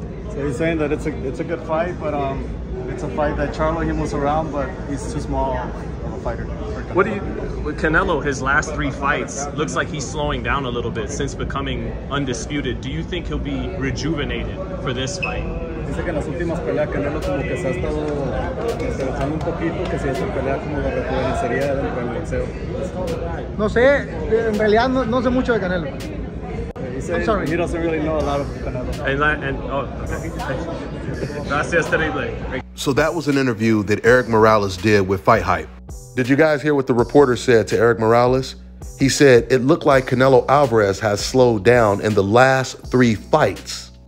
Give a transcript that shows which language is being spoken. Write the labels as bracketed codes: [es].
[en] So he's saying that it's a good fight, but it's a fight that Charlo, he moves around, but he's too small of a fighter. What do you? With Canelo, his last three fights, looks like he's slowing down a little bit since becoming undisputed. Do you think he'll be rejuvenated for this fight? [es] Dice que en las últimas peleas Canelo como que se ha estado pensando un poquito que si esa pelea como lo rejuvenecería dentro del boxeo. No sé, en realidad no sé mucho de Canelo. [en] I'm sorry. He doesn't really know a lot of Canelo. And [es] gracias, [en] terrible. So that was an interview that Erik Morales did with Fight Hype. Did you guys hear what the reporter said to Erik Morales? He said, it looked like Canelo Alvarez has slowed down in the last three fights.